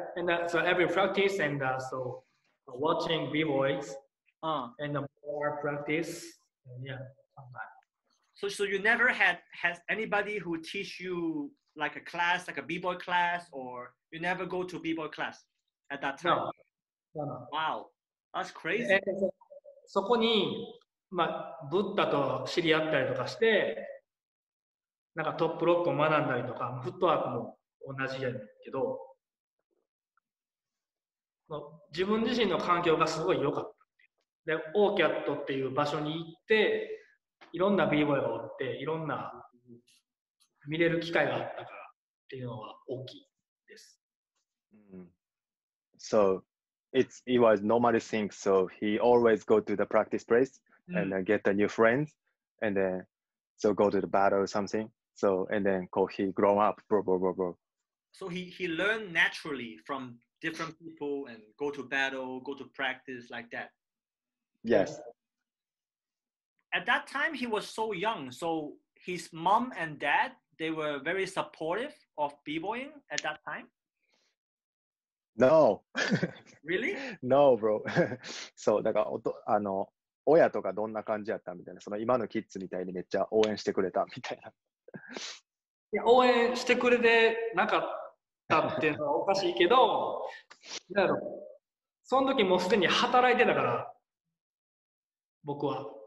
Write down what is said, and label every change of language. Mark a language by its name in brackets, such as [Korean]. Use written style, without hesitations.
[English] And so every practice and so watching b-boys and more practice. And yeah. So you never has anybody who teach you like a class, like a b-boy class, or you never go to b-boy class at that time? No. Wow, that's crazy. And [Japanese] そこに、まあ、ブッダと知り合ったりとかしてなんかトップロックを学んだりとか、フットワークも同じやけど、自分自身の環境がすごい良かった。で、オーキャットっていう場所に行って、いろんな B-boy がおって、いろんな見れる機会があったからっていうのは大きいです。 [English] So, it was normal thing. So, he always go to the practice place and get a new friends and then so go to the battle or something. So, and then he grow up, bro. So he learned naturally from different people and go to battle, go to practice like that. Yes. At that time, he was so young. So his mom and dad, they were very supportive of b-boying at that time? No. Really? No, bro. [Japanese] So, だからあの親とかどんな感じやったみたいな、その今のキッズみたいにめっちゃ応援してくれたみたいな。いや応援してくれてなかったっていうのはおかしいけど、だろその時もうすでに働いてたから、僕は。